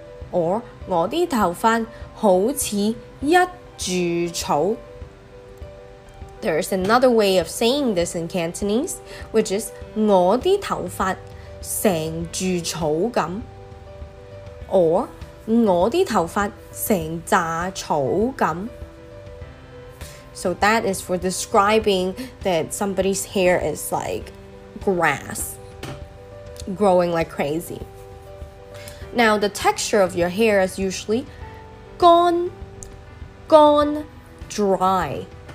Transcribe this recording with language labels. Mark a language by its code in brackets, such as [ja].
[yue] Or 我的头发好似一柱草。 [en] There's another way of saying this in Cantonese, which is [yue] 我的頭髮成柱草咁， or 我的頭髮成紮草咁。 [en] So that is for describing that somebody's hair is like grass, growing like crazy. Now the texture of your hair is usually 乾, 乾, dry.